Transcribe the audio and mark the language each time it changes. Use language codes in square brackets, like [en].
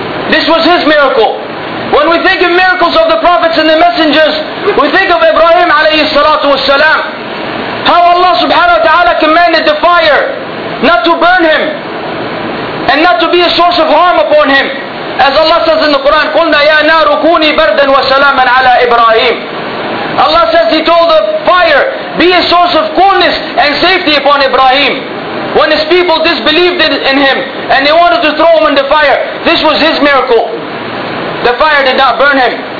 [en] This was his miracle. When we think of miracles of the prophets and the messengers, we think of Ibrahim alayhi salatu wasalam. How Allah subhanahu wa ta'ala commanded the fire not to burn him and not to be a source of harm upon him. As Allah says in the Quran, [ar] قُلْنَا يَا نَارُ كُونِي بَرْدًا وَسَلَامًا عَلَىٰ إِبْرَاهِيمٍ. [en] Allah says, He told the fire, be a source of coolness and safety upon Ibrahim. When His people disbelieved in Him and they wanted to throw Him in the fire, this was His miracle. The fire did not burn him.